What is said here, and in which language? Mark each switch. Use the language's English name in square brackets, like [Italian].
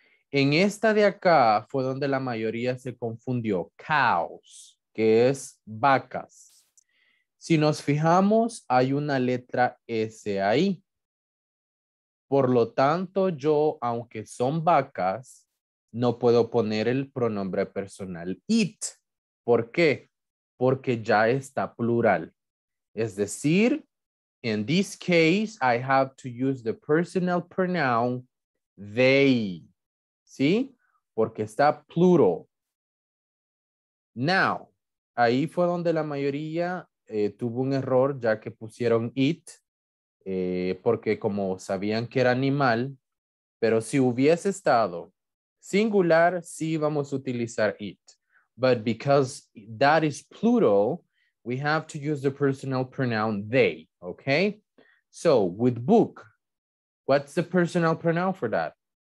[Spanish] En esta de acá fue donde la mayoría se confundió, cows, que es vacas. Si nos fijamos, hay una letra S ahí. Por lo tanto, yo, aunque son vacas, no puedo poner el pronombre personal it. ¿Por qué? Porque ya está plural. Es decir, [English] in this case, I have to use the personal pronoun, they. [Spanish] ¿Sí? Porque está plural. [English] Now, [Spanish] ahí fue donde la mayoría tuvo un error, ya que pusieron it, porque como sabían que era animal, pero si hubiese estado singular, sí vamos a utilizar it. [English] But because that is plural, we have to use the personal pronoun they, okay? So, with book, what's the personal pronoun for that?